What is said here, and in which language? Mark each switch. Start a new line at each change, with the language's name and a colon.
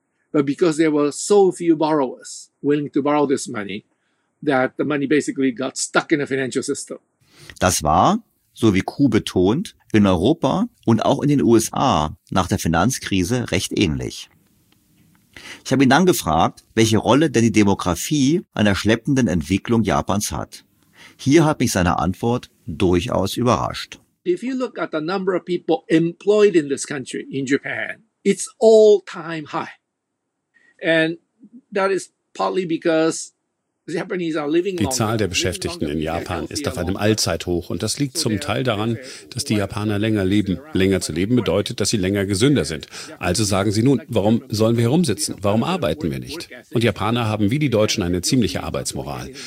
English: But because there were so few borrowers willing to borrow this money, that the money basically got stuck in the financial system.
German: Das war, so wie Ku betont, in Europa und auch in den USA nach der Finanzkrise recht ähnlich. Ich habe ihn dann gefragt, welche Rolle denn die Demografie an der schleppenden Entwicklung Japans hat. Hier hat mich seine Antwort durchaus überrascht.
English: If you look at the number of people employed in this country, in Japan, it's all time high. And that is partly because
German: die Zahl der Beschäftigten in Japan ist auf einem Allzeithoch und das liegt zum Teil daran, dass die Japaner länger leben. Länger zu leben bedeutet, dass sie länger gesünder sind. Also sagen sie nun, warum sollen wir herumsitzen? Warum arbeiten wir nicht? Und Japaner haben wie die Deutschen eine ziemliche Arbeitsmoral.